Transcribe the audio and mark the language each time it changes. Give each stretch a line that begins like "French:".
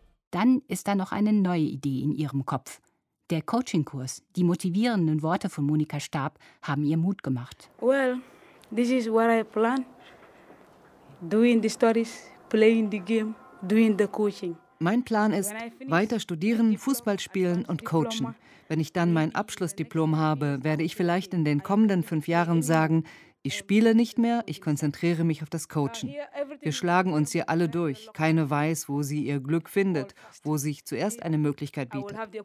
German: Dann ist da noch eine neue Idee in ihrem Kopf. Der Coaching-Kurs, die motivierenden Worte von Monika Stab, haben ihr Mut gemacht.
English: Well, this is what I plan. Doing the stories, playing the game, doing the coaching.
German: Mein Plan ist, weiter studieren, Fußball spielen und coachen. Wenn ich dann mein Abschlussdiplom habe, werde ich vielleicht in den kommenden 5 Jahren sagen, ich spiele nicht mehr, ich konzentriere mich auf das Coachen. Wir schlagen uns hier alle durch. Keine weiß, wo sie ihr Glück findet, wo sich zuerst eine Möglichkeit bietet.